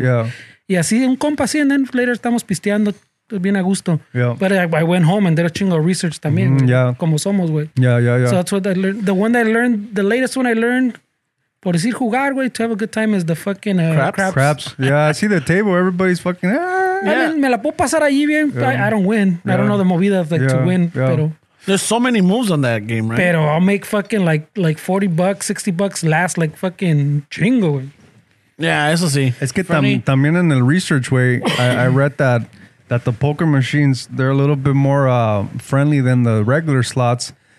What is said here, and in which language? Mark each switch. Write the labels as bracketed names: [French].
[English] Yeah. [Spanish] Y así, un compa así, [English] and then later [Spanish] estamos pisteando bien a gusto. [English] Yeah. But I went home and did a chingo of research también. Mm-hmm. Yeah. [Spanish] Como somos, güey. [English] Yeah, yeah, yeah. So that's what I learned. The one that I learned, the latest one I learned, [Spanish] por decir jugar, güey, [English] to have a good time, is the fucking craps. Craps. Yeah, I see the table. Everybody's fucking, I mean, [Spanish] me la puedo pasar allí bien. [English] I don't win. Yeah. I don't know the movida like, to win, pero... There's so many moves on that game, right? Pero I'll make fucking like $40, $60 last like fucking chingo. [Spanish] Yeah, eso sí. Es que también en el research way, [English] I read that the poker machines, they're a little bit more friendly than the regular slots.